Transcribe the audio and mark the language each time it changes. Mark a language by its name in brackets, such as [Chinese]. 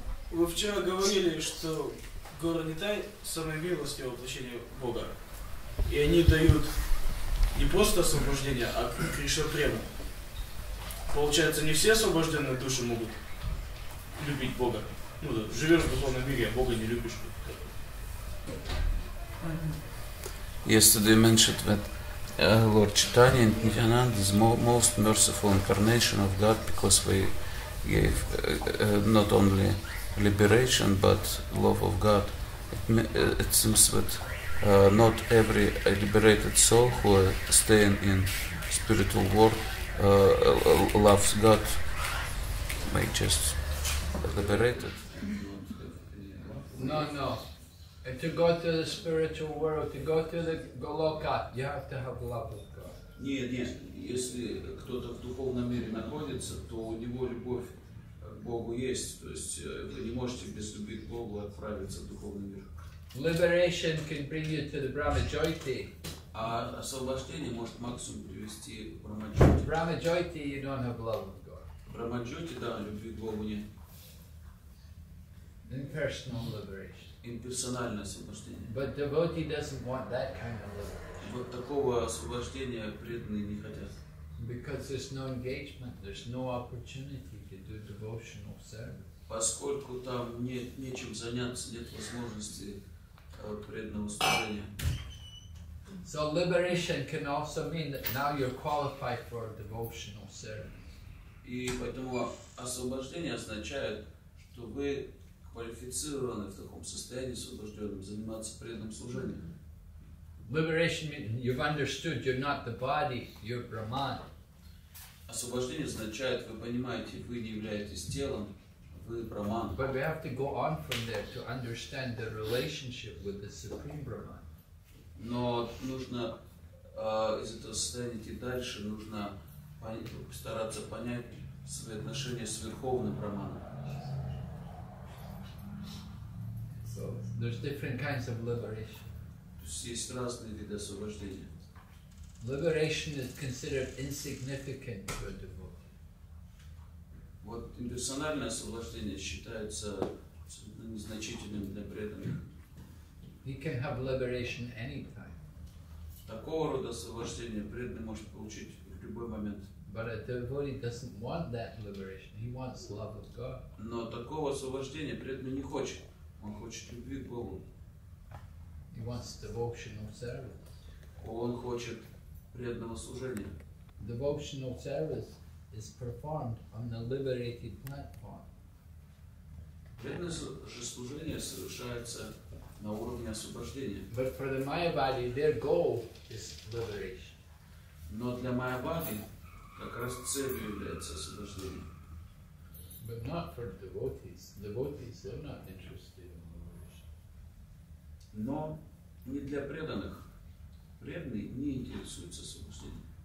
[Russian] Вы вчера говорили, что Гора Нитай – самое милостивое воплощение Бога. И они дают не просто освобождение, а Кришна-прему. Получается, не все освобожденные души могут любить Бога. Ну да, живешь в духовном мире, а Бога не любишь. [English] Yesterday mentioned that Lord Chaitanya Nityananda is most merciful incarnation of God because we gave not only liberation but love of God. It seems that not every liberated soul who is staying in spiritual world loves God. May just liberated. No. And to go to the spiritual world, to go to the Goloka, you have to have love of God. [Russian] Нет, если кто-то в духовном мире находится, то у него любовь к Богу есть. То есть вы не можете без любви к Богу отправиться в духовный мир. [English] Liberation can bring you to the Brahmajyoti. [Russian] А освобождение может максимум привести к Брахмаджоти. [English] Brahmajyoti, you don't have love of God. [Russian] Брахмаджоти, да, любви к Богу нет. [English] Impersonal liberation. [Russian] Имперсональное освобождение. [English] But devotee doesn't want that kind of liberation. [Russian] Вот такого освобождения преданные не хотят. [English] Because there's no engagement, there's no opportunity to do devotional service. [Russian] Поскольку там нечем заняться, нет возможности преданного служения. [English] So liberation can also mean that now you're qualified for devotional service. [Russian] И поэтому освобождение означает, что вы квалифицированы в таком состоянии освобожденным заниматься преданным служением. [English] Liberation means you've understood you're not the body, you're Brahman. [Russian] Освобождение означает, вы понимаете, вы не являетесь телом, вы Брахман. [English] But we have to go on from there to understand the relationship with the Supreme Brahman. [Russian] Но нужно из этого состояния идти дальше, нужно постараться понять свои отношения с Верховным Брахманом. [English] So there's different kinds of liberation. [Russian] То есть есть разные виды освобождения. [English] Liberation is considered insignificant to a devotee. [Russian] Вот имперсональное освобождение считается незначительным для преданных. [English] He can have liberation anytime. [Russian] Такого рода освобождение преданный может получить в любой момент. [English] But a devotee doesn't want that liberation. He wants love of God. [Russian] Но такого освобождения преданный не хочет. Он хочет любви к Богу. [English] He wants devotional service. [Russian] Он хочет преданного служения. [English] Devotional service is performed on the liberated platform. [Russian] Преданное служение совершается на уровне освобождения. [English] But for the Mayavadi, their goal is liberation. [Russian] Но для Mayavadi как раз целью является освобождение. [English] But not for devotees. Devotees are not interested in liberation. [Russian] Но не для преданных. Преданный не интересуется освобождением.